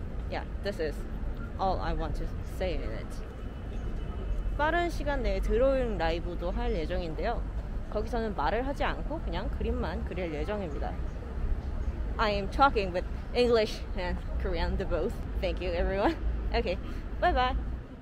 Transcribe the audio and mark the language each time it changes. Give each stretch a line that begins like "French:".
English: Yeah, this is all I want to say in it.
Korean: 빠른 시간 내에 드로잉 라이브도 할 예정인데요. 거기서는 말을 하지 않고 그냥 그림만 그릴 예정입니다.
English: I am talking with English and Korean, the both. Thank you, everyone. Okay, bye-bye.